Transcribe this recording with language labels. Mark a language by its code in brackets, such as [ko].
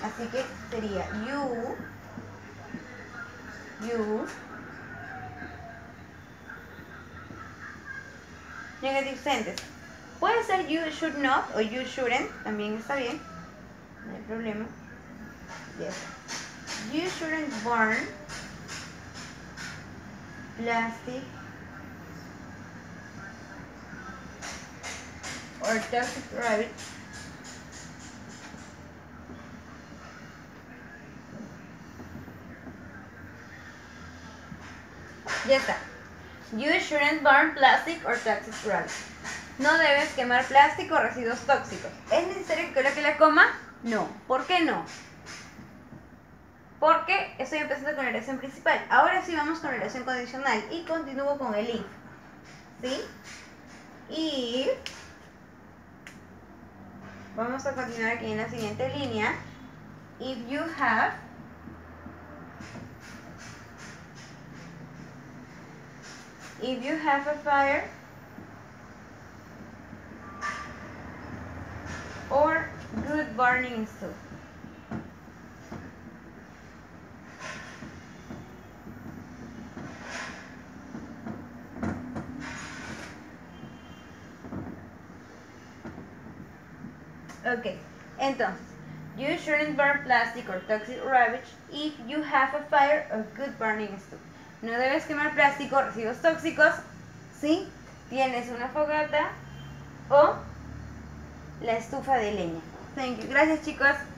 [es] Así que sería you. [en] Negative sentence. [es] Puede ser [en] you should not o you shouldn't, [es] también está bien. No hay problema. [en] Yes. You shouldn't burn plastic or toxic rubbish. [es] Ya está. [en] You shouldn't burn plastic or toxic rubbish. [es] No debes quemar plástico o residuos tóxicos. ¿Es necesario que coloque la coma? No. ¿Por qué no? Porque estoy empezando con la oración principal. Ahora sí vamos con la oración condicional y continúo con el if. ¿Sí? Y vamos a continuar aquí en la siguiente línea. [en] If you have a fire or good burning stove. Okay, entonces, you shouldn't burn plastic or toxic rubbish if you have a fire or good burning stove. [es] No debes quemar plástico, residuos tóxicos, ¿sí? Tienes una fogata o la estufa de leña. [en] Thank you. [es] Gracias, chicos.